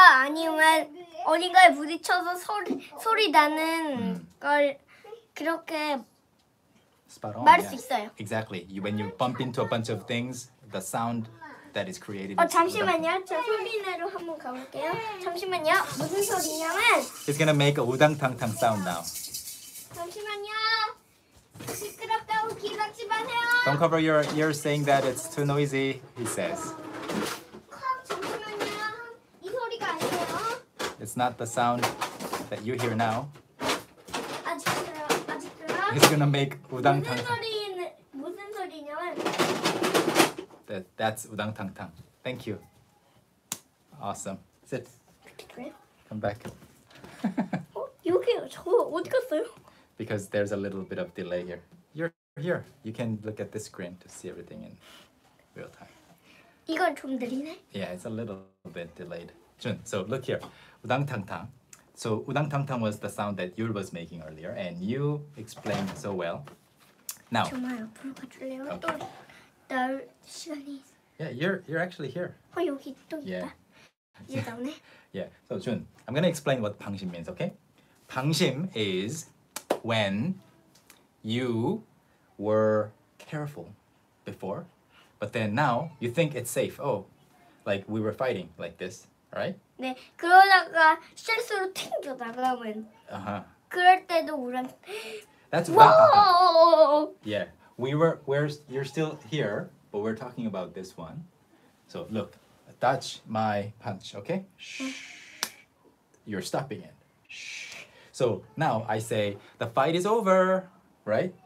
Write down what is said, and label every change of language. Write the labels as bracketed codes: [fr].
[ko] 아니면 어딘가에 부딪혀서 소리 나는 걸 그렇게 [en] spot on, [ko] 말할 [en] yeah. [ko] 수 있어요. [en] Exactly. You, when you bump into a bunch of things, the sound that is created. [ko] 잠시만요. 소리 내로 한번 가볼게요. 잠시만요. 무슨 소리냐면 [en] It's gonna make a 우당탕탕 sound now. [ko] 잠시만요. 시끄럽다고 귀 막지마세요. [en] Don't cover your ears saying that it's too noisy, he says. [ko] 잠시만요. 이 소리가 아니에요. [en] It's not the sound that you hear now. [ko] 아직 들어. [en] It's gonna make 우당탕탕. [ko] 무슨 소리냐면 [en] That's 우당탕탕. Thank you. Awesome. Sit. Come back. [ko] 여기요. 저 어디 갔어요? [en] Because there's a little bit of delay here. You're here. You can look at the screen to see everything in real time. [ko] 이건 좀 느리네? [en] Yeah, it's a little bit delayed. Jun, so look here. 우당탕탕. So 우당탕탕 was the sound that Yul was making earlier, and you explained so well. Now. [ko] 정말 앞으로 가줄래요? 또 나올 시간이 있어. [en] Yeah, you're actually here. [ko] 어, 여기 또 있다. 예, 나오네. [en] Yeah, so Jun, I'm gonna explain what 방심 means, okay? 방심 is... when you were careful before, but then now you think it's safe. Oh, like we were fighting like this, right? [ko] 네, 그러다가 실수로 튕겨 나가면 그럴 때도 우린 [en] That's wow. Yeah, we're you're still here, but we're talking about this one. So look, touch my punch, okay? Shh. You're stopping it. Shh. So now I say, the fight is over, right?